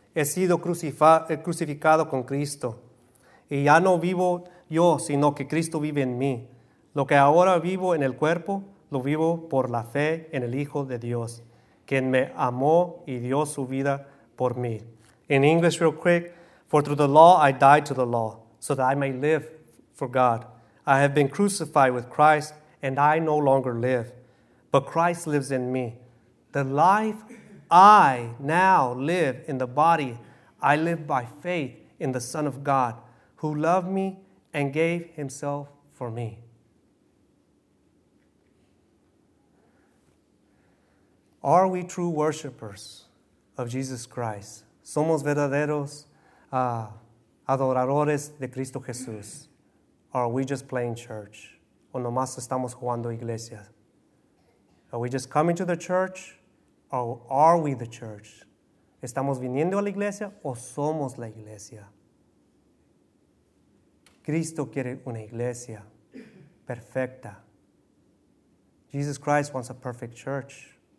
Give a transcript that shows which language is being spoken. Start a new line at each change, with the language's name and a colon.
Spanish: He sido crucificado con Cristo. Y ya no vivo yo, sino que Cristo vive en mí. Lo que ahora vivo en el cuerpo, lo vivo por la fe en el Hijo de Dios, quien me amó y dio su vida por mí.
English: In English, real quick, for through the law I died to the law, so that I may live for God. I have been crucified with Christ, and I no longer live, but Christ lives in me. The life I now live in the body, I live by faith in the Son of God, who loved me and gave himself for me. Are we true worshipers of Jesus Christ?
Spanish: Somos verdaderos adoradores de Cristo Jesús.
English: Are we just playing church?
Spanish: O nomás estamos jugando iglesia?
English: Are we just coming to the church? Or are we the church?
Spanish: ¿Estamos viniendo a la iglesia o somos la iglesia? Cristo quiere una iglesia perfecta.
English: Jesus Christ wants a perfect church.